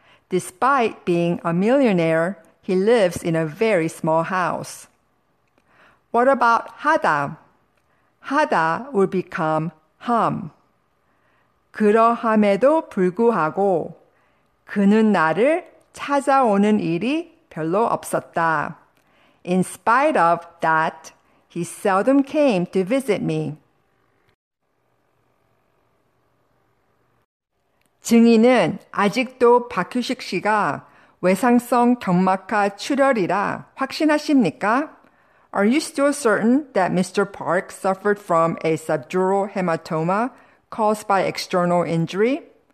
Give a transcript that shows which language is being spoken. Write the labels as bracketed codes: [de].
[en] Despite being a millionaire, he lives in a very small house. What about 하다? 하다 would become 함. [ko] 그러함에도 불구하고 그는 나를 찾아오는 일이 별로 없었다. [en] In spite of that, he seldom came to visit me. [ko] 증인은 아직도 박효식 씨가 외상성 경막하 출혈이라 확신하십니까? [en] Are you still certain that Mr. Park suffered from a subdural hematoma caused by external injury?